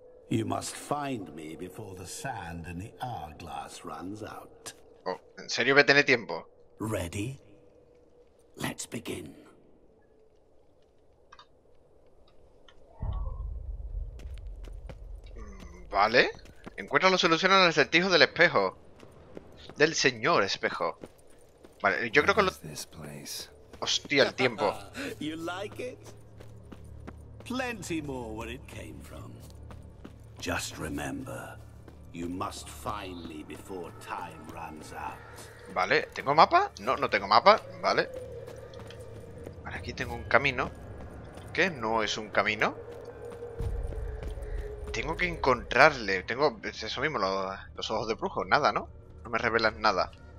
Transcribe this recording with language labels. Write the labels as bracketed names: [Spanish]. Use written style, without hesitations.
[English] You must find me before the sand and the hourglass runs out. [Spanish] Oh, ¿en serio voy a tener tiempo? [English] Ready? Let's begin. [Spanish] Vale. Encuentra la solución al acertijo del espejo. Del señor espejo. Vale, yo creo que lo... Hostia, el tiempo. [English] You like it? Plenty more where it came from. Just remember, you must find me before time runs out. [Spanish] Vale, ¿tengo mapa? No, no tengo mapa. Vale. Vale, aquí tengo un camino. ¿Qué? ¿No es un camino? Tengo que encontrarle. Tengo eso mismo, los ojos de brujo. Nada, ¿no? No me revelan nada.